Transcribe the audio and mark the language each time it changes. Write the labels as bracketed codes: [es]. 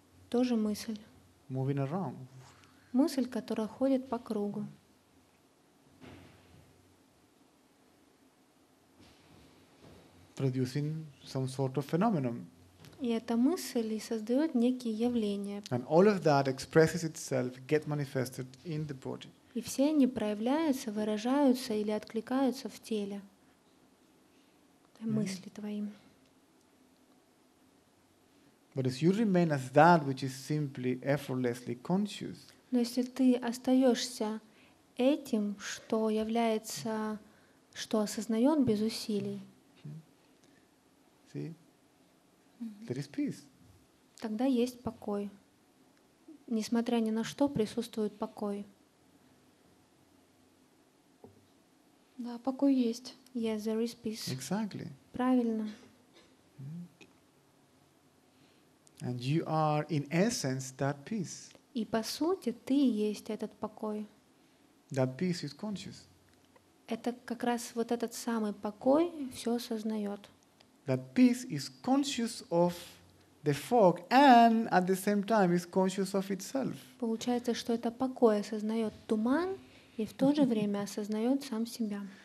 [ru] Тоже мысль. [en] Moving around. [ru] Мысль, которая ходит по кругу. [en] Producing some sort of phenomenon. [ru] И эта мысль создает некие явления. [en] And all of that expresses itself, get manifested in the body. [ru] И все они проявляются, выражаются или откликаются в теле. Мысли твои. [en] But if you remain as that which is simply effortlessly conscious. [ru] Но если ты остаешься этим, что является, что осознает без усилий. [en] See? There is peace. [ru] Тогда есть покой. Несмотря ни на что, присутствует покой. Да, покой есть. [en] Yes, there is peace. Exactly. [ru] Правильно. Mm. [en] And you are in essence that peace. [ru] И по сути ты есть этот покой. [en] That peace is conscious. [ru] Это как раз вот этот самый покой все осознает. [en] That peace is conscious of the fog and at the same time is conscious of itself. [ru] Получается, что это покой осознает туман и в то же время осознает сам себя.